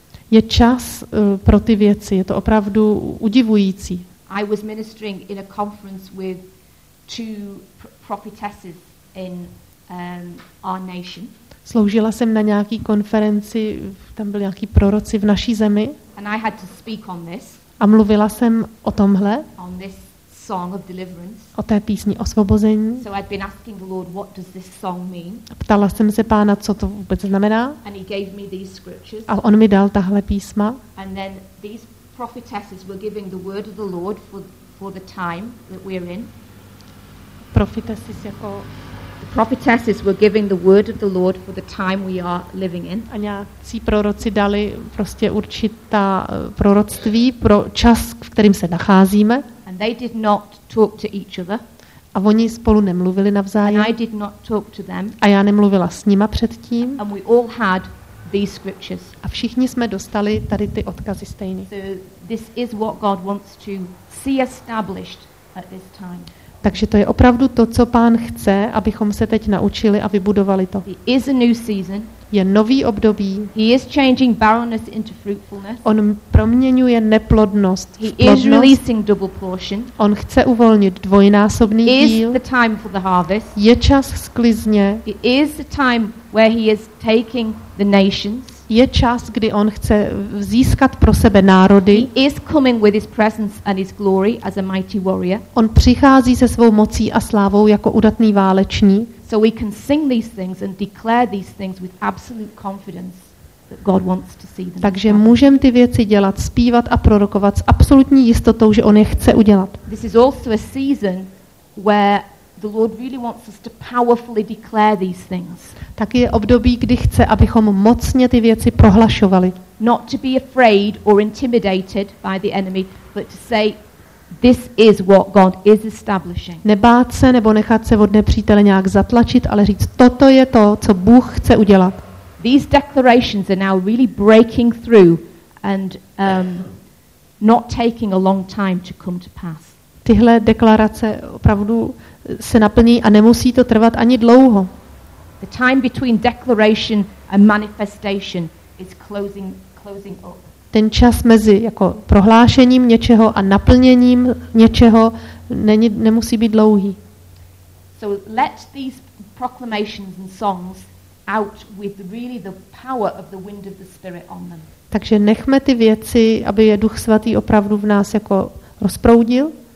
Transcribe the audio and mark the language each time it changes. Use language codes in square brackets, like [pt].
[cs] Je čas pro ty věci, je to opravdu udivující. [en] I was ministering in a conference with two prophetesses in our nation. [cs] Sloužila jsem na nějaký konferenci, tam byl nějaký proroci v naší zemi. [en] And I had to speak on this. [cs] A mluvila jsem o tomhle. [en] On this song of deliverance. [cs] O té písni osvobození. [en] So I'd been asking the Lord, what does this song mean? [cs] Ptala jsem se pána, co to vůbec znamená. [en] And he gave me these scriptures. [cs] A on mi dal tahle písma. [en] And then these prophetesses were giving the word of the Lord for the time that we're in. Prophetesses jako the prophetesses were giving the word of the Lord for the time we are living in. [cs] A nějací proroci dali prostě určitá proroctví pro čas, v kterým se nacházíme. [en] And they did not talk to each other. [cs] A oni spolu nemluvili navzájem. [en] And I did not talk to them. [cs] A já nemluvila s nima předtím. [en] And we all had these scriptures. [cs] A všichni jsme dostali tady ty odkazy stejně. [en] So this is what God wants to see established at this time. [cs] Takže to je opravdu to, co Pán chce, abychom se teď naučili a vybudovali to. [en] Is a new season. [cs] Je nový období. [en] He is changing barrenness into fruitfulness. [cs] On proměňuje neplodnost v plodnost. [en] He is releasing double portion. [cs] On chce uvolnit dvojnásobný díl. [en] Is the time for the harvest. [cs] Je čas sklizně. [en] It is the time where he is taking the nations. [cs] Je čas, kdy on chce získat pro sebe národy. [en] He is coming with his presence and his glory as a mighty warrior. [cs] On přichází se svou mocí a slávou jako udatný válečník. [en] So we can sing these things and declare these things with absolute confidence that God wants to see them. [cs] Takže můžeme ty věci dělat, zpívat a prorokovat s absolutní jistotou, že on je chce udělat. [en] This is also a season where the Lord really wants us to powerfully declare these things. [cs] Taky je období, kdy chce, abychom mocně ty věci prohlašovali. [en] Not to be afraid or intimidated by the enemy, but to say this is what God is establishing. [cs] Nebát se nebo nechat se od nepřítele nějak zatlačit, ale říct toto je to, co Bůh chce udělat. [en] These declarations are now really breaking through and not taking a long time to come to pass. [cs] Tyhle deklarace opravdu se naplní a nemusí to trvat ani dlouho. [en] The time between declaration and manifestation is closing up. [cs] Ten čas mezi jako prohlášením něčeho a naplněním něčeho nemusí být dlouhý. [en] So let these proclamations and songs out with really the power of the wind of the Spirit on them. [cs] Takže nechme ty věci, aby je Duch Svatý opravdu v nás jako rozproudil.